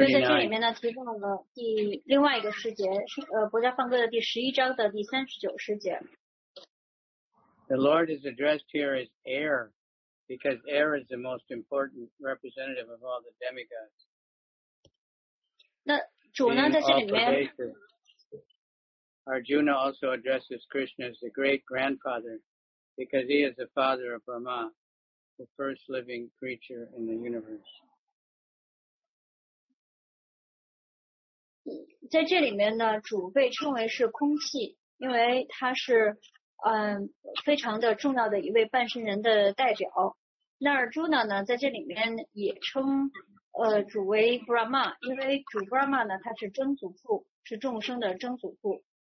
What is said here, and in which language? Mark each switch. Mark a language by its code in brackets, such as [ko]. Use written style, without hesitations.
[zh] 所以在这里面呢提到了第另外一个诗节，国家梵歌的第十一章的第三十九诗节。 [en] The Lord is addressed here as air because air is the most important representative of all the demigods. [zh] 那主呢在这里面 [en] Arjuna also addresses Krishna as the great grandfather because he is the father of Brahma, the first living creature in the universe. [zh] 在这里面呢，主被称为是空气，因为他是非常的重要的一位半身人的代表。那 Arjuna 呢，在这里面也称主为 Brahma， 因为主 Brahma 呢，他是真祖父，是众生的真祖父。